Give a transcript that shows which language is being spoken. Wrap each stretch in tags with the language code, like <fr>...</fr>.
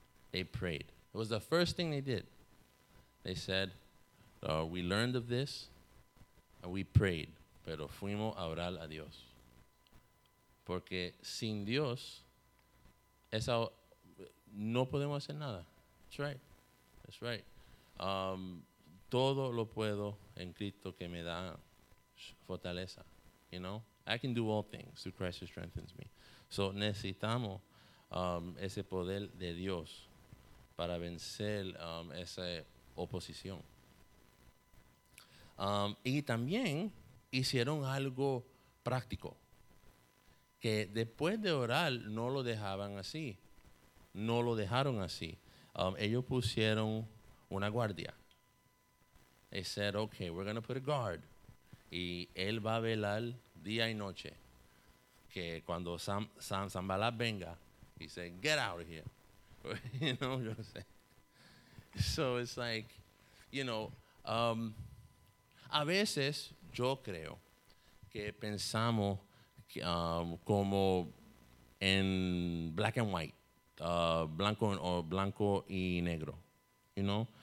<en>They prayed. It was the first thing they did. They said, we learned of this, and we prayed,</en> <es>pero fuimos a orar a Dios. Porque sin Dios, no podemos hacer nada.</es> <en>That's right.</en> <es>Todo lo puedo en Cristo que me da fortaleza.</es> <en>You know? I can do all things through Christ who strengthens me.</en> <es>So necesitamos ese poder de Dios para vencer esa oposición. Y también hicieron algo práctico. Que después de orar, no lo dejaban así. No lo dejaron así. Ellos pusieron una guardia.</es> <en>They said, okay, we're going to put a guard.</en> <es>Y él va a velar día y noche. Que cuando Sanballat venga,</es> <en>he said, get out of here. You know,</en> <es>yo sé.</es> <en>So it's like, you know,</en> <es>a veces yo creo que pensamos como en</es> <en>black and white,</en> <es>blanco y negro,</es> <en>you know?</en>